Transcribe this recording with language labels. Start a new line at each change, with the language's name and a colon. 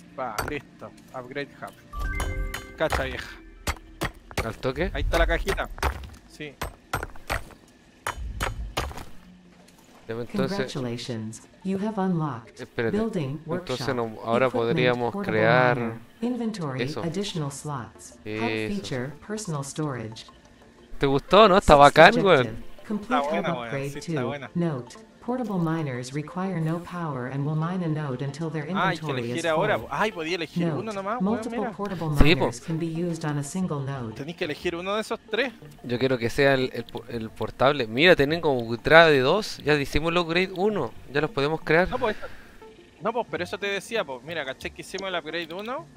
Spanish: Va, listo. Upgrade hub. Cacha vieja. ¿Al toque? Ahí está la cajita. Sí.
English: Congratulations. You have unlocked.
Spanish: Espérate.
English: Building workshop.
Spanish: Entonces, no, ahora podríamos crear inventory, eso.
English: Additional slots. Hub feature, personal storage.
Spanish: ¿Te gustó, no? Está bacán, güey.
English: Complete hub upgrade sí, to note. Portable miners require no power and will mine a node until their inventory is full.
Spanish: Ay, podía elegir note, uno nomás.
English: Multiple portable miners sí, can be used on a single node.
Spanish: Tenéis que elegir uno de esos tres. Yo quiero que sea el portable. Mira, tienen como entrada de dos. Ya hicimos el upgrade 1. Ya los podemos crear. No, pues, pero eso te decía, pues. Mira, caché que hicimos el upgrade 1.